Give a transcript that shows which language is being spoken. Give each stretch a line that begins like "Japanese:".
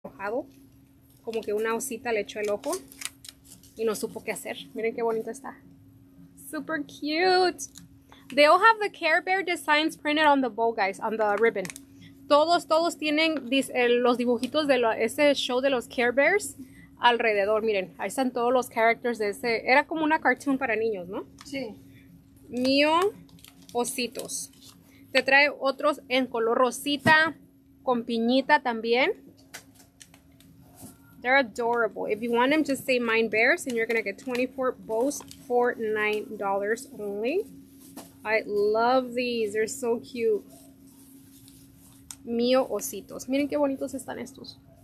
Spanish: mojado, como que una osita le echó el ojo y no supo qué hacer. Miren qué bonito está.
English: Super cute. They all have the Care Bear designs printed on the bow, guys, on the ribbon.
Spanish: Todos tienen los dibujitos de ese show de los Care Bears alrededor. Miren, ahí están todos los characters de ese. Era como una cartoon para niños, ¿no? Sí. Mio ositos. Te trae otros en color rosita, con piñita también.
English: They're adorable. If you want them, just say Mine Bears and you're going to get 24 bows for $9 only. I love these. They're so cute. Mio ositos.
Spanish: Miren qué bonitos están estos.